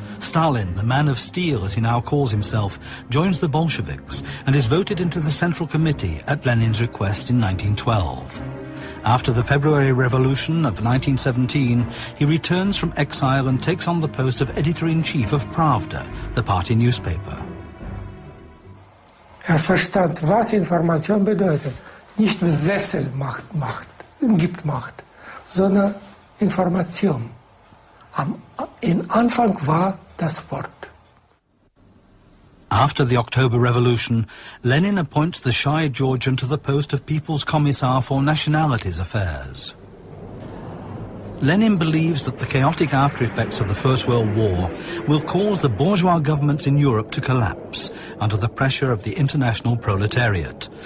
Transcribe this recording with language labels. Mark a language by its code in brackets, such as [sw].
[en] Stalin, the man of steel, as he now calls himself, joins the Bolsheviks and is voted into the Central Committee at Lenin's request in 1912. After the February Revolution of 1917, he returns from exile and takes on the post of editor-in-chief of Pravda, the party newspaper. [de] Er verstand, was Information bedeutet. Nicht Sessel macht Macht, gibt Macht, sondern Information. In Anfang war das Wort. [en] After the October Revolution, Lenin appoints the shy Georgian to the post of People's Commissar for Nationalities Affairs. Lenin believes that the chaotic aftereffects of the First World War will cause the bourgeois governments in Europe to collapse under the pressure of the international proletariat.